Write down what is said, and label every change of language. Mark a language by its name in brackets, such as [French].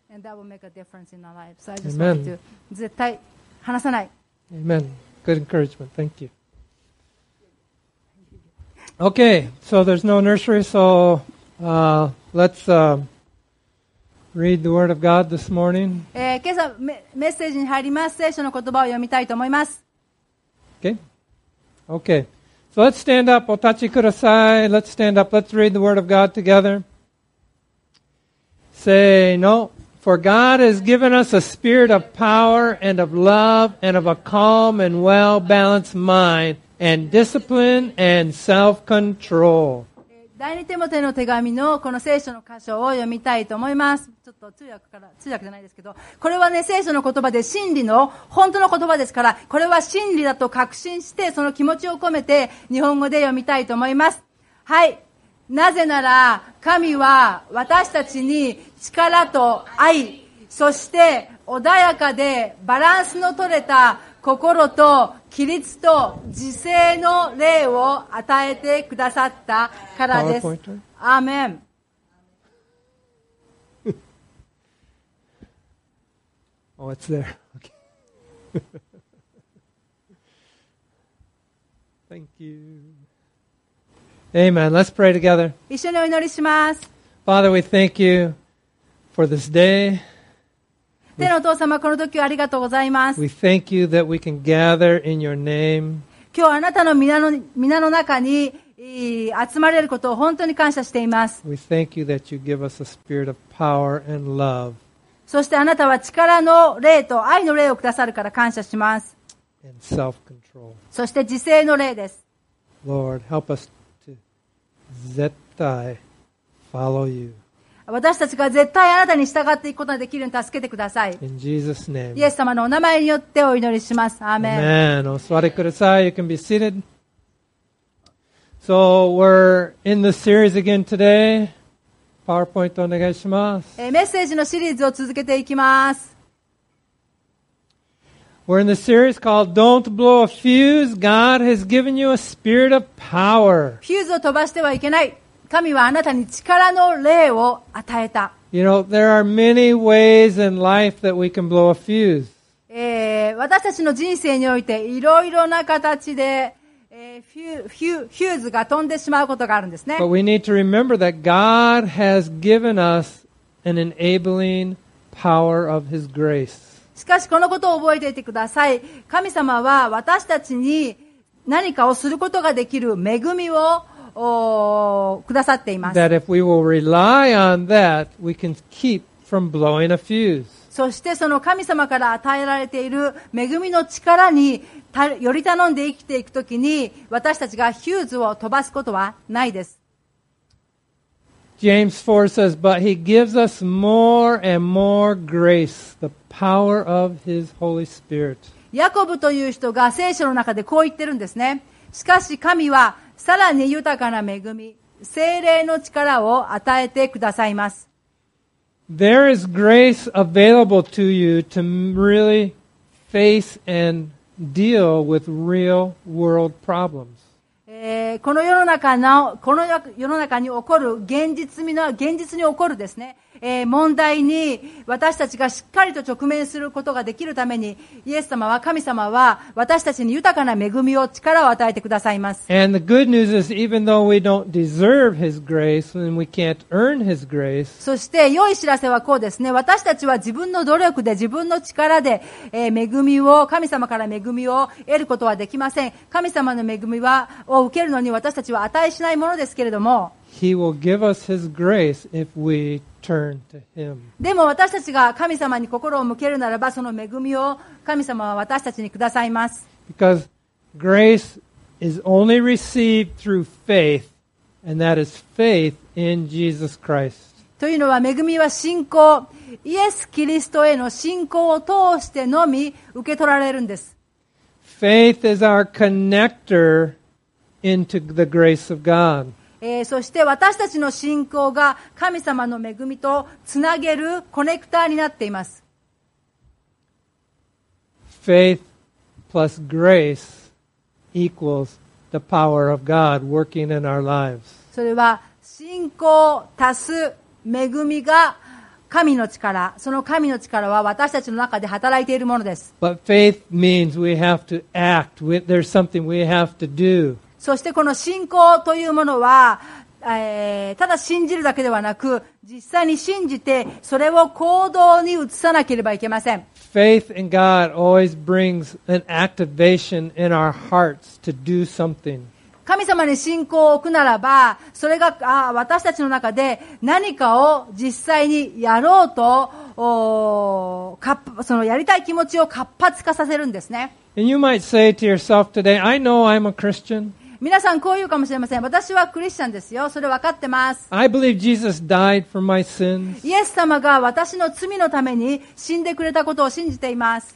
[English] And that will make a difference in our lives. So I just want to [Japanese] 絶対離さない。 [English] Amen. Good encouragement. Thank you. Okay. So there's no nursery. So let'sRead the word of God this morning. [Japanese] 今朝メッセージに入ります。聖書の言葉を読みたいと思います。 [English] Okay. Okay. So let's stand up. [Japanese] お立ちください。 [English] Let's stand up. Let's read the word of God together. Say no. For God has given us a spirit of power and of love and of a calm and well-balanced mind and discipline and self-control. [Japanese] 第二テモテの手紙のこの聖書の箇所を読みたいと思います。ちょっと通訳じゃないですけど、これはね、聖書の言葉で真理の、本当の言葉ですから、これは真理だと確信して、その気持ちを込めて、日本語で読みたいと思います。はい。なぜなら、神は私たちに力と愛、そして穏やかでバランスの取れた心と規律と自制の霊を与えてくださったからです。アーメン。 [English] Oh, it's there. Okay. Thank you. Amen. Let's pray together. [Japanese] 一緒にお祈りします。 [English] Father, we thank you for this day. [Japanese] 天のお父様、この時はありがとうございます。 [English] We thank you that we can gather in your name. [Japanese] 今日あなたの皆の中に集まれることを本当に感謝しています。 [English] We thank you that you give us a spirit of power and love. [Japanese] そしてあなたは力の霊と愛の霊をくださるから感謝します。 [English] And self-control. [Japanese] そして自制の霊です。 [English] Lord, help us to [Japanese] 絶対 [English] follow you. [Japanese] 私たちが絶対あなたに従っていくことができるように助けてください。 [English] In Jesus' name. [Japanese] イエス様のお名前によってお祈りします。アーメン。 [English] Amen. [Japanese] お座りください。 [English] You can be seated. So, we're in the series again today. [Japanese] PowerPoint お願いします。メッセージのシリーズを続けていきます。 [English] We're in the series called Don't Blow a Fuse. God has given you a spirit of power. [Japanese] フューズを飛ばしてはいけない。神はあなたに力の霊を与えた。 [English] You know, there are many ways in life that we can blow a fuse. [Japanese] 私たちの人生においていろいろな形で、フューズが飛んでしまうことがあるんですね。 [English] But we need to remember that God has given us an enabling power of His grace. [Japanese] しかしこのことを覚えていてください。神様は私たちに何かをすることができる恵みをくださっています。 [English] That if we will rely on that, we can keep from blowing a fuse. [Japanese] そしてその神様から与えられている恵みの力により頼んで生きていくときに、私たちがヒューズを飛ばすことはないです。 [English] James 4 says, But he gives us more and more grace, the power of his Holy Spirit. [Japanese] ヤコブという人が聖書の中でこう言ってるんですね。しかし神はさらに豊かな恵み、聖霊の力を与えてくださいます。 [English] There is grace available to you to really face and deal with real world problems. [Japanese] この世の中に起こる現実に起こるですね、問題に私たちがしっかりと直面することができるために、イエス様は、神様は私たちに豊かな恵みを力を与えてくださいます。 [English] And the good news is, even though we don't deserve His grace and we can't earn His grace, [Japanese] そして良い知らせはこうですね、私たちは自分の努力で自分の力で、恵みを、神様から恵みを得ることはできません。神様の恵みはを受けるのに私たちは値しないものですけれども、 [English] He will give us His grace if we turn to Him. [Japanese] でも私たちが神様に心を向けるならば、その恵みを神様は私たちにくださいます。 [English] Because grace is only received through faith, and that is faith in Jesus Christ. [Japanese] というのは、恵みは信仰、イエス・キリストへの信仰を通してのみ受け取られるんです。 [English] Faith is our connector into the grace of God. [Japanese] そして私たちの信仰が神様の恵みとつなげるコネクターになっています。 [English] Faith plus grace equals the power of God working in our lives. [Japanese] それは信仰足す恵みが神の力、その神の力は私たちの中で働いているものです。 [English] But faith means we have to act. There's something we have to do. [Japanese] そしてこの信仰というものは、ただ信じるだけではなく、実際に信じてそれを行動に移さなければいけません。 [English] Faith in God always brings an activation in our hearts to do something. [Japanese] 神様に信仰を置くならば、それが私たちの中で何かを実際にやろうと、そのやりたい気持ちを活発化させるんですね。 [English] And you might say to yourself today, I know I'm a Christian. [Japanese] 皆さんこう言うかもしれません。私はクリスチャンですよ。それ分かってます。 [English] I believe Jesus died for my sins. [Japanese] イエス様が私の罪のために死んでくれたことを信じています。